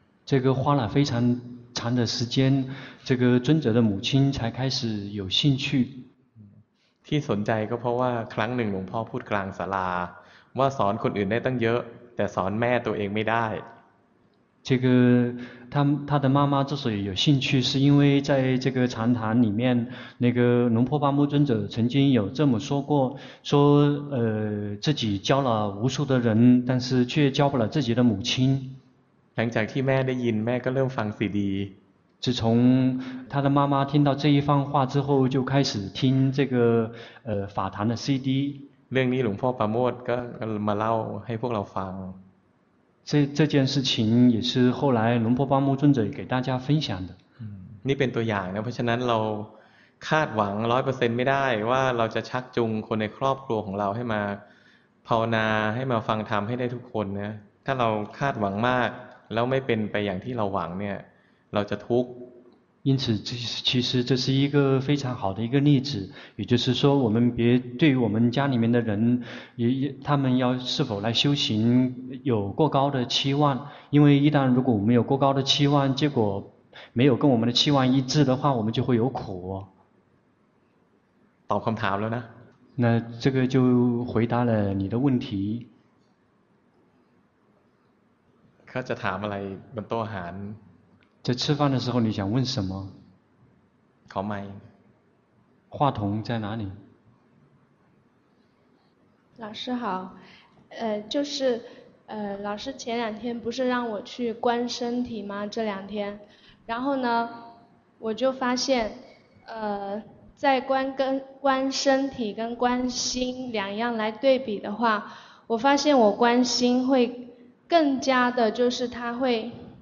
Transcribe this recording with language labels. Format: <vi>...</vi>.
<zh>这个花了非常长的时间这个尊者的母亲才开始有兴趣</zh> <th>ที่สนใจก็เพราะว่าครั้งหนึ่งหลวงพ่อพูดกลางศาลาว่าสอนคนอื่นได้ตั้งเยอะแต่สอนแม่ตัวเองไม่ได้</th> <zh>这个他的妈妈之所以有兴趣是因为在这个禅坛里面那个龙婆巴木尊者曾经有这么说过说自己教了无数的人但是却教不了自己的母亲</zh> <th>หลังจากที่แม่ได้ยินแม่ก็เริ่มฟังซีดี</th> <zh>自从他的妈妈听到这一番话之后就开始听这个法坛的 CD</zh> <th>เรื่องนี้หลวงพ่อปราโมทก็มาเล่าให้พวกเราฟัง</th> <zh>这件事情也是后来龙婆巴木尊者给大家分享的</zh> <th>นี่เป็นตัวอย่างนะเพราะฉะนั้นเราคาดหวัง 100% ไม่ได้ว่าเราจะชักจูงคนในครอบครัวของเราให้มาภาวนาให้มาฟังธรรมให้ได้ทุกคนนะ ถ้าเราคาดหวังมากแล้วไม่เป็นไปอย่างที่เราหวังเนี่ยเราจะทุกข์</th> <zh>因此这其实这是一个非常好的一个例子也就是说我们别对于我们家里面的人也他们要是否来修行有过高的期望因为一旦如果我们有过高的期望结果没有跟我们的期望一致的话我们就会有苦</zh> <th>ตอบคำถามแล้วนะ</th> <zh>那这个就回答了你的问题</zh> <th>เขาจะถามอะไรบนโต๊ะอาหาร</th> <zh>在吃饭的时候，你想问什么？考麦。话筒在哪里？老师好，就是老师前两天不是让我去观身体吗？这两天，然后呢，我就发现，在观身体跟观心两样来对比的话，我发现我观心会更加的，就是它会。</zh>